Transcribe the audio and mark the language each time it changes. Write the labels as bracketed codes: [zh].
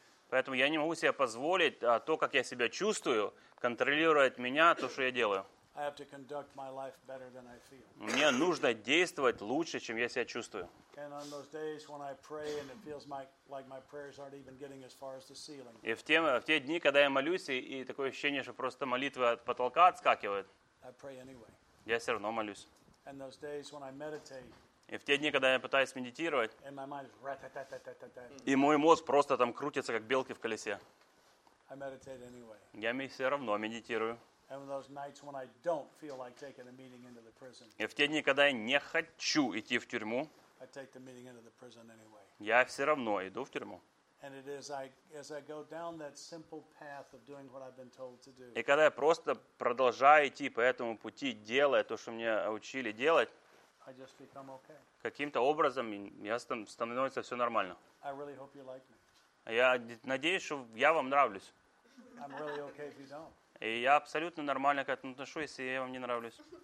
[ru] Поэтому я не могу себе позволить то, как я себя чувствую, контролировать меня, то, что я делаю. [en] I have to conduct my life better than I feel. [ru] Мне нужно действовать лучше, чем я себя чувствую. [en] And on those days when I pray and it feels like my prayers aren't even getting as far as the ceiling. [ru] И в те дни, когда я молюсь, и такое ощущение, что просто молитвы от потолка отскакивают. [en] I pray anyway. [ru] Я все равно молюсь. [en] And those days when I meditate. [ru] И в те дни, когда я пытаюсь медитировать. [en] And my mind is ra-ta-ta-ta-ta-ta. [ru] И мой мозг просто там крутится, как белки в колесе. [en] I meditate anyway. [ru] Я все равно медитирую. [en] And on those nights when I don't feel like taking a meeting into the prison. [ru] И в те дни, когда я не хочу идти в тюрьму. [en] I take the meeting into the prison anyway. [ru] Я все равно иду в тюрьму. [en] And it is as I go down that simple path of doing what I've been told to do. [ru] И когда я просто продолжаю идти по этому пути, делая то, что мне учили делать. [en] I just become okay. [ru] Каким-то образом я становится все нормально. [en] I really hope you like me. [ru] Я надеюсь, что я вам нравлюсь. [en] I'm really okay if you don't. [ru] И я абсолютно нормально к этому отношусь, если я вам не нравлюсь.